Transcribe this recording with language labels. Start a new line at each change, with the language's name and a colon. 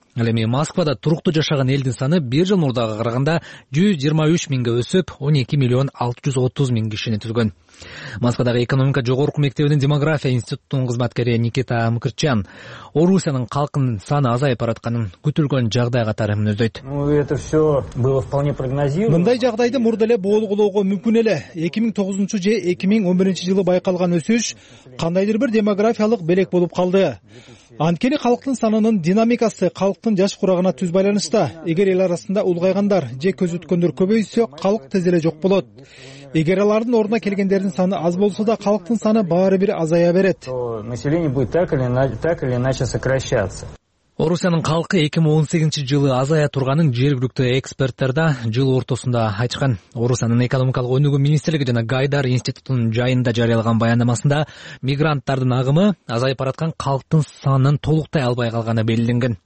Kyrgyz: Ал эми Москвада туруктуу жашаган элдин саны бир жыл мурдагы караганда 123 миңге өсүп, 12 миллион 630 миң кишини түзгөн. Москвадагы экономика жогорку мектебинин демография институтунун кызматкери Никита Мкрчан Орусиянын калкынын саны азайып баратканын күтүлгөн жагдай катары мүнөздөйт.
Russian: Это все было вполне прогнозируемо.
Kyrgyz: Мындай жагдайды мурда эле болгулоого мүмкүн эле. 2009 же 2011 жылы байкалган өсүш кандайдыр бир демографиялык белек болуп калды. Анткени калктын санынын динамикасы калктын жаш курагына түз байланышта. Эгер эл арасында улгайгандар же көзүткөндөр көбөйсө, калк тез эле жок болот. Эгер алардын ордуна келгендердин саны аз болсо да, калктын саны баары бир азая берет.
Russian: Население будет так или иначе сокращаться.
Kyrgyz: Орусиянын калкы 2018 жылы азая турганын жергиликтүү эксперттер да жыл ортосунда айтышкан. Орусиянын экономикалык өнүгүү министрлиги жана Гайдар институтунун жайында жарыялаган баяндамасында мигранттардын агымы азайып бараткан калктын санын толуктай албай калганы белгиленген.